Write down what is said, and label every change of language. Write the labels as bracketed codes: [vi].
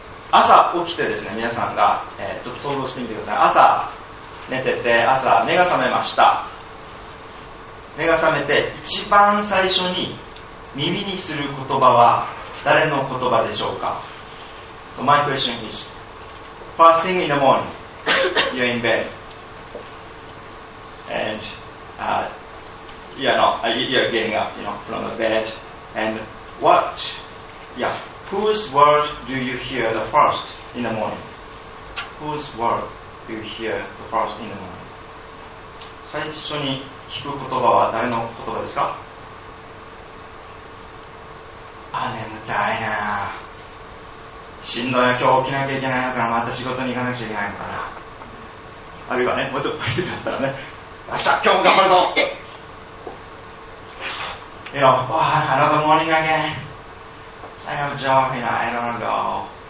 [ja] 朝起きてですね、皆さんが、ちょっと想像してみてください。朝寝てて、朝目が覚めました。目が覚めて一番最初に耳にする言葉は誰の言葉でしょうか。 [en] So my question is, first thing in the morning, you're in bed, and、you're getting up, you know, from the bed, and what, yeah, whose word do you hear the first in the morning? Whose word do you hear the first in the morning? [ja] 最初に聞く言葉は誰の言葉ですか。あ、眠たいな、しんどいな、今日起きなきゃいけないのかな、また仕事に行かなくちゃいけないのかな、あるいはね、もうちょっと走ってたらね、明日今日も頑張るぞ、 [en] You know, oh, another morning again, I have a job, you know, I don't wanna go.